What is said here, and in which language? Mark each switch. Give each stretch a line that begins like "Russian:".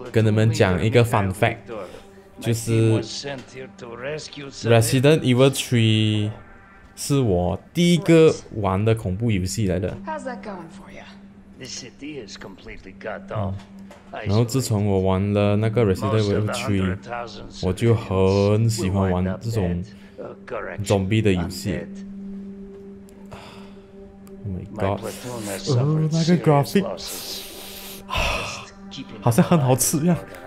Chinese: 跟你们讲一个
English: fun fact，
Chinese: 就是 Resident Evil 3。是我第一个玩的恐怖游戏来的。
English: How's that going for you? The city is completely cut off.
Chinese: 然后自从我玩了那个 Resident Evil 3，我就很喜欢玩这种 zombie 的游戏。
English: Oh my god！
Chinese: 那个 graphic， 好像很好吃呀。